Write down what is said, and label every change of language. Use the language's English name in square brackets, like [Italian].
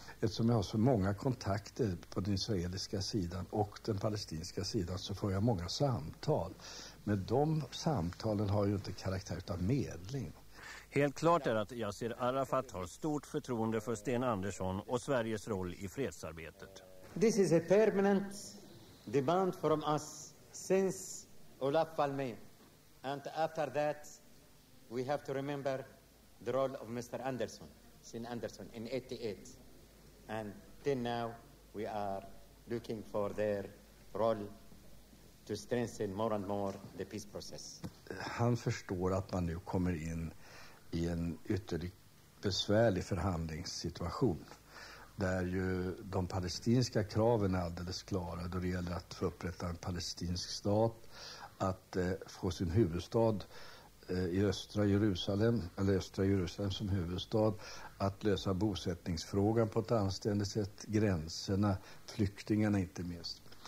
[Swedish] Eftersom jag har så många kontakter på den israeliska sidan och den palestinska sidan så får jag många samtal. Men de samtalen har ju inte karaktär av medling. Helt klart är att Yasir Arafat har stort förtroende för Sten Andersson och Sveriges roll i fredsarbetet. [English] This is a permanent demand from us since Olaf Palme. And after that, we have to remember the role of Mr. Anderson, Sten Andersson, in 88. And till now, we are looking for their role to strengthen more and more the peace process. [Swedish] Han förstår att man nu kommer in i en ytterligt besvärlig förhandlingssituation där ju de palestinska kraven är alldeles klara då det gäller att få upprätta en palestinsk stat, att få sin huvudstad i östra Jerusalem, eller östra Jerusalem som huvudstad, att lösa bosättningsfrågan på ett anständigt sätt, gränserna, flyktingarna inte minst.